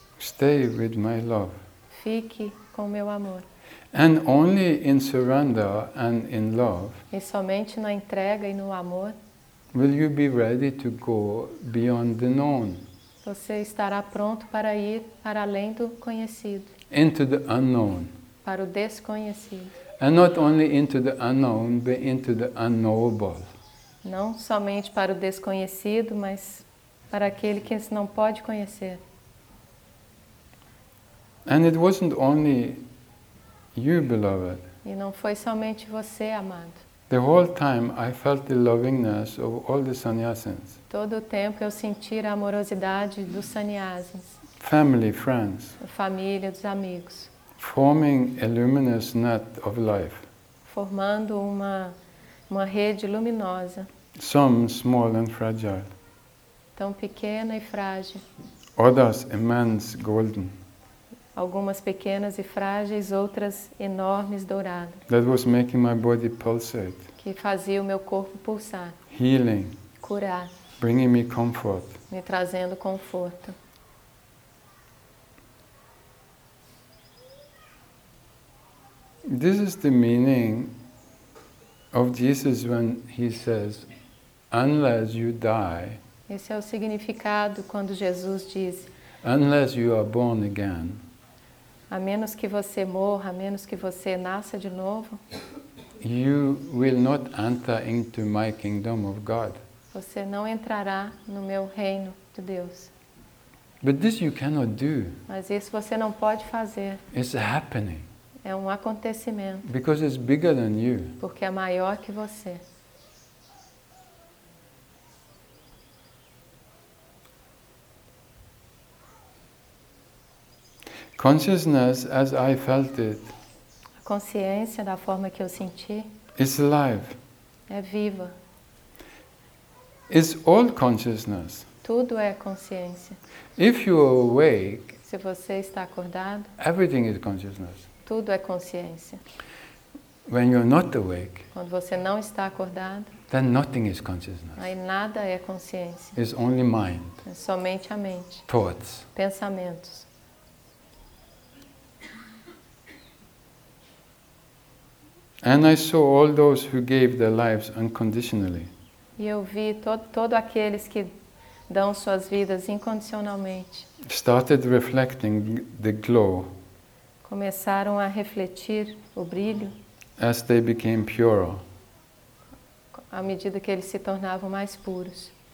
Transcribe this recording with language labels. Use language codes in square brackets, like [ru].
[en] Stay with my love. [pt] Fique com meu amor. [en] And only in surrender and in love. [pt] E somente na entrega e no amor. [en] Will you be ready to go beyond the known? [pt] Você estará pronto para ir para além do conhecido. [en] Into the unknown. [pt] Para o desconhecido. [en] And not only into the unknown, but into the unknowable. [pt] Não somente para o desconhecido, mas para aquele que não pode conhecer. [en] And it wasn't only you, beloved. [pt] E não foi somente você, amado. [en] The whole time I felt the lovingness of all the sannyasins. [pt] Todo o tempo eu senti a amorosidade dos sannyasins. [en] Family, friends. [pt] A família, dos amigos. [en] Forming a luminous net of life. [pt] Formando uma rede luminosa. [en] Some small and fragile. [pt] Tão pequena e frágil. [en] Others immense, golden. [pt] Algumas pequenas e frágeis, outras enormes, douradas. [en] That was making my body pulsate. [pt] Que fazia o meu corpo pulsar. [en] Healing. [pt] Curar. [en] Bringing me comfort. [pt] Me trazendo conforto. [en] This is the meaning of Jesus when he says, unless you die. [pt] Esse é o significado quando Jesus diz, [en] unless you are born again. [pt] A menos que você morra, a menos que você nasça de novo, [en] you will not enter into my kingdom of God. [pt] Você não entrará no meu reino de Deus. [en] But this you cannot do. [pt] Mas isso você não pode fazer. [en] It's happening. [pt] É um acontecimento. [en] Because it's bigger than you. [pt] Porque é maior que você. [en] Consciousness, as I felt it. [pt] A consciência da forma que eu senti. [en] Is alive. [pt] É viva. [en] Is all consciousness. [pt] Tudo é consciência. [en] If you are awake. [pt] Se você está acordado. [en] Everything is consciousness. [pt] Tudo é consciência. [en] When you're not awake, [pt] quando você não está acordado, [en] then nothing is consciousness. [pt] Aí nada é consciência. [en] It's only mind. [pt] É somente a mente. [en] Thoughts. [pt] Pensamentos. [en] And I saw all those who gave their lives unconditionally. [pt] E eu vi todo aqueles que dão suas vidas incondicionalmente. [en] Started reflecting the glow. [pt] Começaram a refletir o brilho. [en] As they became purer. [pt] À medida que eles se tornavam mais puros.